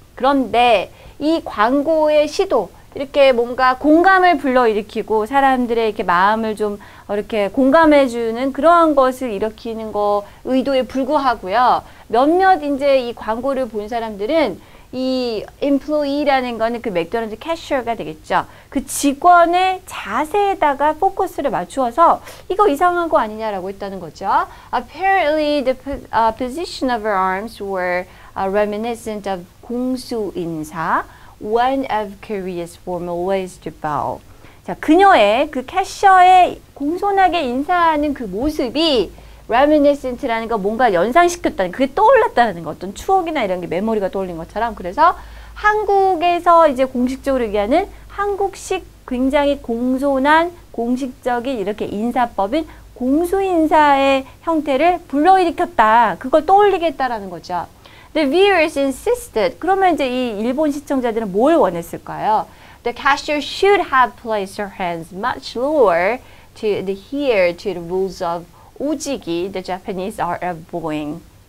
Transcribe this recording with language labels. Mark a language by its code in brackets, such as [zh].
[ko] 그런데 이 광고의 시도 이렇게 뭔가 공감을 불러일으키고 사람들의 이렇게 마음을 좀 이렇게 공감해주는 그러한 것을 일으키는 거 의도에 불구하고요. 몇몇 이제 이 광고를 본 사람들은 이 employee라는 거는 그 맥도날드 캐셔가 되겠죠. 그 직원의 자세에다가 포커스를 맞추어서 이거 이상한 거 아니냐라고 했다는 거죠. [en] Apparently the position of her arms were reminiscent of 공수인사. One of Korea's formal ways to bow. [ko] 자, 그녀의 그 캐셔의 공손하게 인사하는 그 모습이 reminiscent라는 거 뭔가 연상시켰다는 그게 떠올랐다는 거 어떤 추억이나 이런 게 메모리가 떠올린 것처럼 그래서 한국에서 이제 공식적으로 얘기하는 한국식 굉장히 공손한 공식적인 이렇게 인사법인 공수인사의 형태를 불러일으켰다. 그걸 떠올리겠다라는 거죠. [en] The viewers insisted. [ko] 그러면 이제 이 일본 시청자들은 뭘 원했을까요? [en] The cashier should have placed her hands much lower to adhere to the rules of 오지기, the Japanese art of bowing.